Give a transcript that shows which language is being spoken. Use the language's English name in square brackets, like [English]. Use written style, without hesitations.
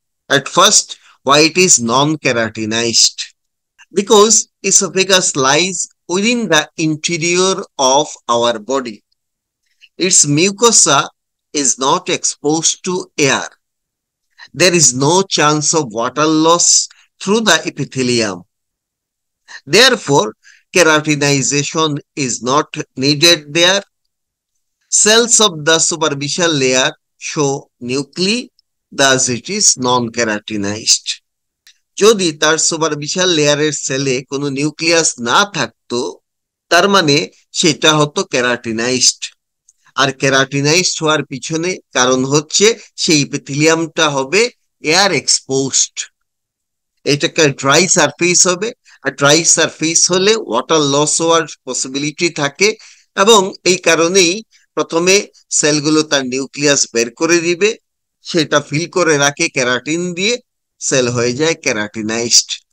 [English] At first, why it is non keratinized? Because oesophagus lies within the interior of our body, its mucosa is not expose to air, there is no chance of water loss through the epithelium. Therefore, keratinization is not needed there. Cells of the superficial layer show nuclei, thus it is non-keratinized. [Bangla] যদি তার superficial লেয়ারের সেলে কোনো nucleus না থাকতো, তার মানে সেটা হতো কেরাটিনাইজড। আর কেরাটিনাইজড হওয়ার পিছনে কারণ হচ্ছে সেই ইপিথিলিয়ামটা হবে এয়ার এক্সপোজড, এটা একটা ড্রাই সারফেস হবে, আর ড্রাই সারফেস হলে ওয়াটার লস হওয়ার পসিবিলিটি থাকে, এবং এই কারণেই প্রথমে সেলগুলো তার নিউক্লিয়াস বের করে দিবে, সেটা ফিল করে রাখে কেরাটিন দিয়ে, সেল হয়ে যায় কেরাটিনাইজড।